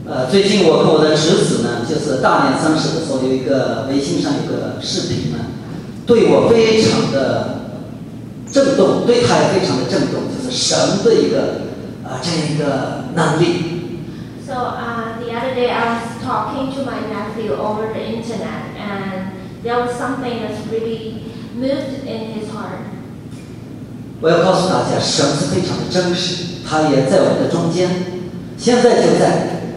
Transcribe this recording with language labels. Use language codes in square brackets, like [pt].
[zh] 最近我和我的侄子呢，就是大年三十的时候，有一个微信上有个视频呢，对我非常的震动，对他也非常的震动，就是神的一个这样一个能力。 [en] So the other day I was talking to my nephew over the internet, and there was something that's really moved in his heart. [zh] 我要告诉大家，神是非常的真实，他也在我们的中间，现在就在。